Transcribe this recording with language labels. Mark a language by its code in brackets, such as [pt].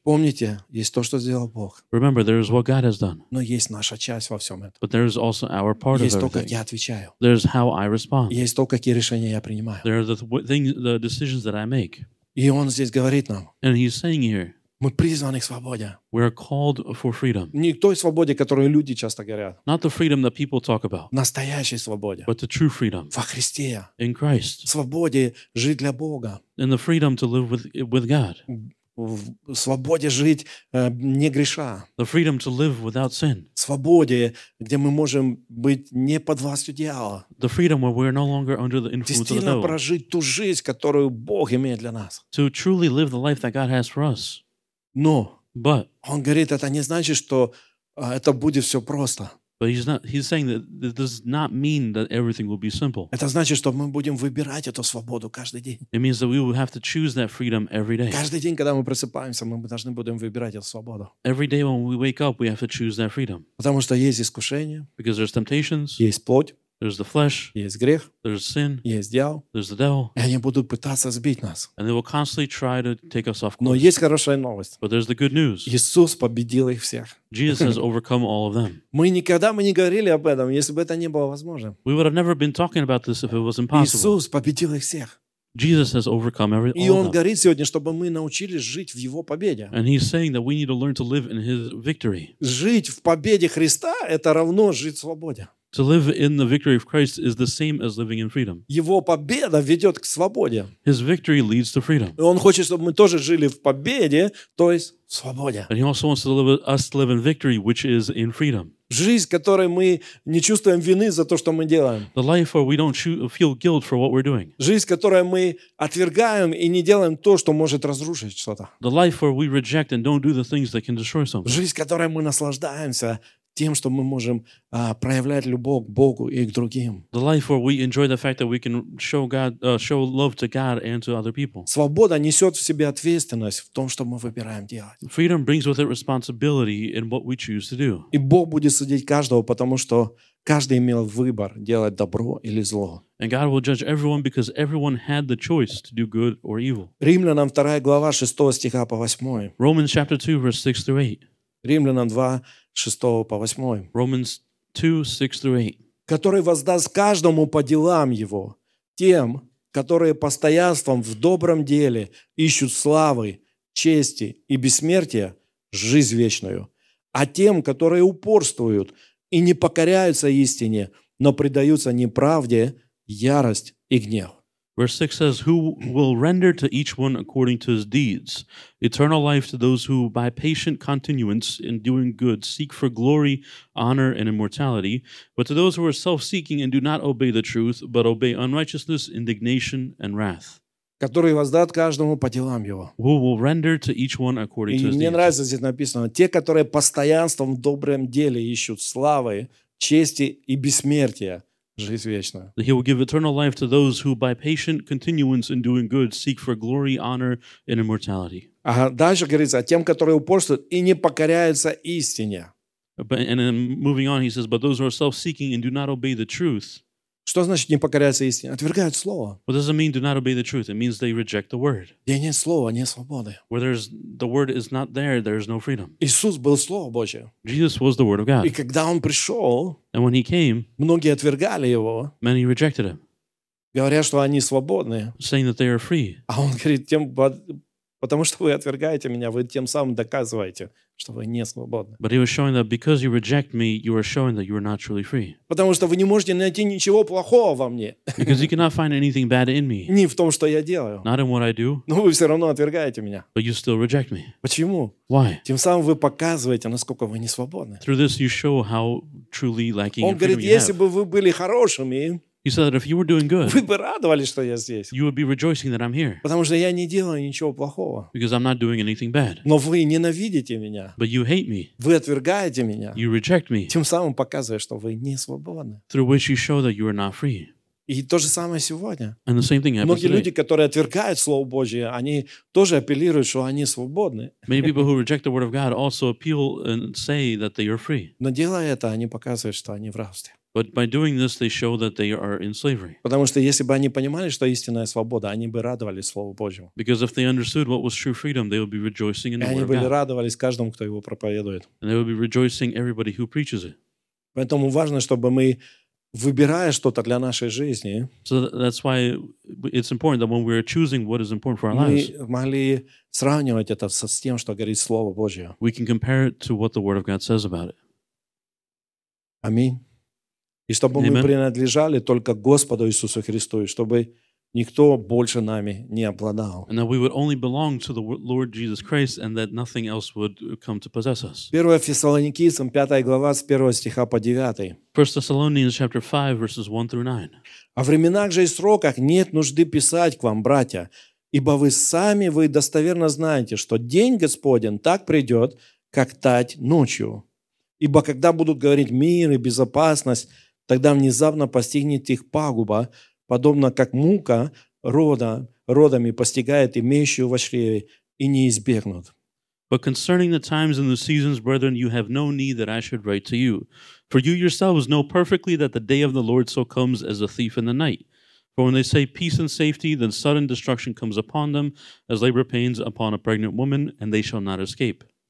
[ru] Помните, есть то, что сделал Бог. [en] Remember, there is what God has done. [ru] Но есть наша часть во всем этом. [en] But there is also our part [ru] есть [en] of everything. [ru] Есть то, как я отвечаю. [en] There's how I respond. [ru] Есть то, какие решения я принимаю. [en] There are the decisions that I make. [ru] И он здесь говорит нам. [en] And he's saying here, [ru] Мы призваны к свободе. [en] We are called for freedom. [ru] Не к той свободе, которую люди часто говорят. [en] Not the freedom that people talk about. [ru] Настоящей свободе. [en] But the true freedom. [ru] Во Христе. [en] In Christ. [ru] Свободе жить для Бога. [en] And the freedom to live with God. [ru] В свободе жить не греша. [en] The freedom to live without sin. [ru] В свободе, где мы можем быть не под властью дьявола. [en] The freedom where we are no longer under the influence of the devil. [ru] Действительно прожить ту жизнь, которую Бог имеет для нас. [en] To truly live the life that God has for us. [ru] Но [en] But, [ru] он говорит, это не значит, что Это будет все просто. [en] But he's saying that this does not mean that everything will be simple. [ru] Это значит, что мы будем выбирать эту свободу каждый день. [en] It means that we will have to choose that freedom every day. [ru] Каждый день, когда мы просыпаемся, мы должны будем выбирать эту свободу. [en] Every day when we wake up, we have to choose that freedom. [ru] Потому что есть искушения. [en] Because there's temptations. [ru] Есть плоть. [en] There's the flesh. [ru] Есть грех. [en] There's sin. [ru] Есть дьявол. [en] There's the devil. [ru] И они будут пытаться сбить нас. [en] And they will constantly try to take us off course. [ru] Но есть хорошая новость. [en] But there's the good news. [ru] Иисус победил их всех. [en] Jesus has overcome all of them. [ru] Мы никогда бы не говорили об этом, если бы это не было возможно. [en] We would have never been talking about this if it was impossible. [ru] Иисус победил их всех. [en] Jesus has overcome every, all of them. [ru] И Он говорит сегодня, чтобы мы научились жить в Его победе. [en] And He's saying that we need to learn to live in His victory. [ru] Жить в победе Христа – это равно жить в свободе. [en] To live in the victory of Christ is the same as living in freedom. [ru] Его победа ведет к свободе. [en] His victory leads to freedom. [ru] И он хочет, чтобы мы тоже жили в победе, то есть в свободе. [en] And he also wants us to live in victory, which is in freedom. [ru] Жизнь, которой мы не чувствуем вины за то, что мы делаем. [en] The life where we don't feel guilt for what we're doing. [ru] Жизнь, которой мы отвергаем и не делаем то, что может разрушить что-то. [en] The life where we reject and don't do the things that can destroy something. [ru] Жизнь, которой мы наслаждаемся тем, что мы можем проявлять любовь к Богу и к другим. [en] The life where we enjoy the fact that we can show God, show love to God and to other people. [ru] Свобода несет в себе ответственность в том, что мы выбираем делать. [en] Freedom brings with it responsibility in what we choose to do. [ru] И Бог будет судить каждого, потому что каждый имел выбор делать добро или зло. [en] And God will judge everyone because everyone had the choice to do good or evil. [ru] Римлянам 2 глава 6 стиха по 8. [en] Romans chapter 2 verse 6 through 8. [ru] Римлянам 2, 6 по 8. [en] Romans 2, 6 through 8. [ru] Который воздаст каждому по делам его, тем, которые постоянством в добром деле ищут славы, чести и бессмертия, жизнь вечную, а тем, которые упорствуют и не покоряются истине, но предаются неправде, ярость и гнев. [en] Verse 6 says, who will render to each one according to his deeds, eternal life to those who by patient continuance in doing good seek for glory, honor, and immortality, but to those who are self-seeking and do not obey the truth, but obey unrighteousness, indignation, and wrath. [ru] Который воздаст каждому по делам его. [en] Who will render to each one according to his deeds. [ru] И мне нравится, здесь написано, те, которые постоянством в добром деле ищут славы, чести и бессмертия, жизнь вечная. [en] He will give eternal life to those who by patient continuance in doing good seek for glory, honor, and immortality. [ru] Ага, дальше говорится, тем, которые упорствуют и не покоряются истине. [en] And then moving on, he says, but those who are self-seeking and do not obey the truth. [ru] Что значит не покоряются истине? Отвергают слово. [en] What does it mean, do not obey the truth? It means they reject the word. [ru] Где нет слова, нет свободы. [en] Where there's the word is not there, there is no freedom. [ru] Иисус был Слово Божие. [en] Jesus was the word of God. [ru] И когда Он пришел, [en] and when he came, [ru] многие отвергали Его. [en] Many rejected Him. [ru] Говоря, что они свободны. [en] Saying that they are free. [ru] А Он говорит, потому что вы отвергаете меня, вы тем самым доказываете, что вы не свободны. [en] But he was showing that because you reject me, you are showing that you are not truly free. [ru] Потому что вы не можете найти ничего плохого во мне. [en] Because you cannot find anything bad in me. [ru] Не в том, что я делаю. [en] Not in what I do. [ru] Но вы все равно отвергаете меня. [en] But you still reject me. [ru] Почему? [en] Why? [ru] Тем самым вы показываете, насколько вы не свободны. [en] Through this you show how truly lacking you have. [ru] Он говорит, если бы вы были хорошими, [en] he said that if you were doing good, [ru] вы бы радовались, что я здесь. [en] You would be rejoicing that I'm here. [ru] Потому что я не делаю ничего плохого. [en] Because I'm not doing anything bad. [ru] Но вы ненавидите меня. [en] But you hate me. [ru] Вы отвергаете меня. [en] You reject me. [ru] Тем самым показывая, что вы не свободны. [en] Through which you show that you are not free. [ru] И то же самое сегодня. [en] And the same thing happens today. [ru] Многие люди, которые отвергают Слово Божие, они тоже апеллируют, что они свободны. [en] Many people who reject the Word of God also appeal and say that they are free. [ru] Но делая это, они показывают, что они в рабстве. [en] But by doing this, they show that they are in slavery. [ru] Потому что если бы они понимали, что истинная свобода, они бы радовались Слову Божьему. [en] Because if they understood what was true freedom, they would be rejoicing in the Word of God. [ru] И они бы радовались каждому, кто его проповедует. [en] And they would be rejoicing everybody who preaches it. [ru] Поэтому важно, чтобы мы, выбирая что-то для нашей жизни, [en] so that's why it's important that when we are choosing what is important for our lives, [ru] мы могли сравнивать это с тем, что говорит Слово Божье. [en] We can compare it to what the Word of God says about it. [ru] Аминь. И чтобы [en] Amen. [ru] Мы принадлежали только Господу Иисусу Христу, и чтобы никто больше нами не обладал. [en] And that we would only belong to the Lord Jesus Christ, and that nothing else would come to possess us. [ru] 1 Фессалоникийцам, 5 глава, с 1 стиха по 9. [en] 1 Thessalonians chapter 5, verses 1 through 9. [ru] О временах же и сроках нет нужды писать к вам, братья, ибо вы сами вы достоверно знаете, что день Господень так придет, как тать ночью. Ибо когда будут говорить мир и безопасность, тогда внезапно постигнет их пагуба, подобно как мука родами постигает имеющего во чреве, и не избегнут. [en] But concerning the times and the seasons, brethren, you have no need that I should write to you. For you yourselves know perfectly that the day of the Lord so comes as a thief in the night. For when they say peace and safety, then sudden destruction comes upon them, as labor pains upon a pregnant woman, and they shall not escape.